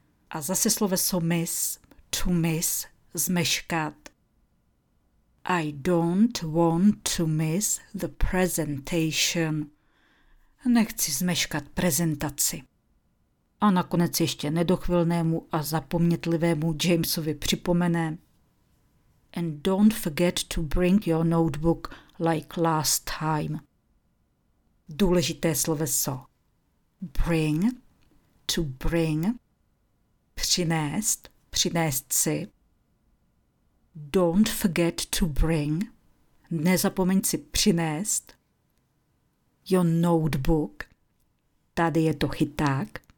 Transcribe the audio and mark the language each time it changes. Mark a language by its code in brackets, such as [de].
[cs] A zase sloveso miss, to miss, zmeškat. [en] I don't want to miss the presentation. [cs] Nechci zmeškat prezentaci. A nakonec ještě nedochvilnému a zapomnětlivému Jamesovi připomene. [en] And don't forget to bring your notebook like last time. [cs] Důležité sloveso. Bring, to bring, přinést, přinést si. [en] Don't forget to bring, [cs] nezapomeň si přinést, [en] your notebook, [cs] tady je to chyták.